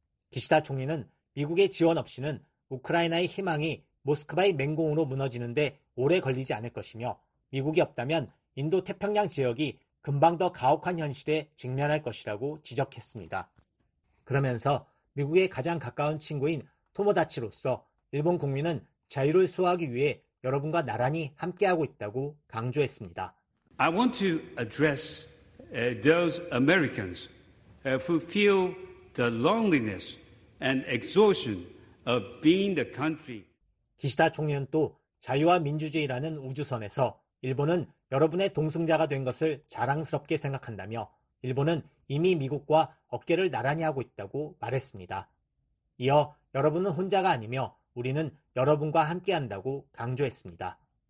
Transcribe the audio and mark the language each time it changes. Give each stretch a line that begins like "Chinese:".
Korean: 기시다 총리는 미국의 지원 없이는 우크라이나의 희망이 모스크바의 맹공으로 무너지는데 오래 걸리지 않을 것이며 미국이 없다면 인도 태평양 지역이 금방 더 가혹한 현실에 직면할 것이라고 지적했습니다. 그러면서 미국의 가장 가까운 친구인 토모다치로서 일본 국민은 자유를 수호하기 위해 여러분과 나란히 함께하고 있다고 강조했습니다.
English: I want to address those Americans who feel the loneliness and exhaustion of being the country.
Korean: 기시다 총리는 또 자유와 민주주의라는 우주선에서 일본은 여러분의 동승자가 된 것을 자랑스럽게 생각한다며 일본은 이미 미국과 어깨를 나란히 하고 있다고 말했습니다. 이어 여러분은 혼자가 아니며 우리는 여러분과 함께한다고 강조했습니다.